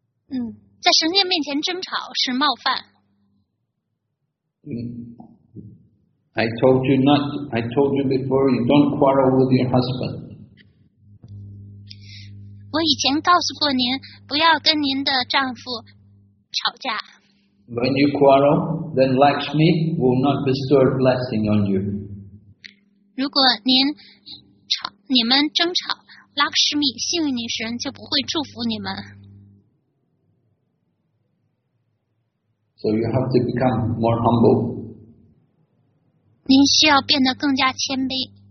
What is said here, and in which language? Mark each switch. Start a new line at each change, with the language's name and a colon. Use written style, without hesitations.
Chinese: 在神殿面前争吵是冒犯。
English: I told you before, you don't quarrel with your husband.
Chinese: 我以前告诉过您，不要跟您的丈夫吵架。
English: When you quarrel, then Lakshmi will not bestow a blessing on you.
Chinese: 如果您吵，你们争吵，拉克什米，幸运女神就不会祝福你们。
English: So you have to become more humble.
Chinese: 您需要变得更加谦卑。